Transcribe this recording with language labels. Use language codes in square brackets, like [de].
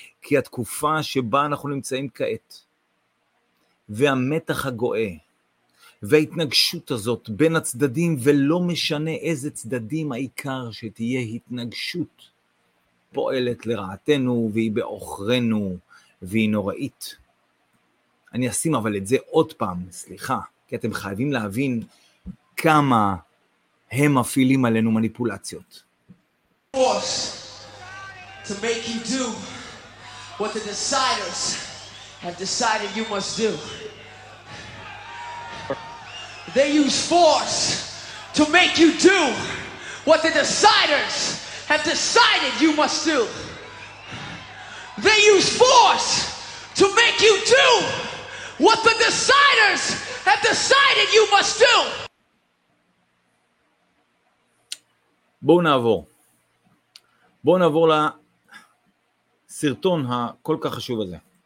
[he] כי התקופה שבה אנחנו נמצאים כעת, והמתח הגואה, וההתנגשות הזאת בין הצדדים, ולא משנה איזה צדדים, העיקר שתהיה התנגשות, פועלת לרעתנו, והיא באוכרנו, והיא נוראית. אני אשים אבל את זה עוד פעם, סליחה, כי אתם חייבים להבין כמה הם מפעילים עלינו מניפולציות. [en] To make you do what the deciders have decided you must do. They use force to make you do what the deciders have decided you must do. They use force to make you do what the deciders have decided you must do. [he] בואו נעבור. בואו נעבור לסרטון הכל כך חשוב הזה.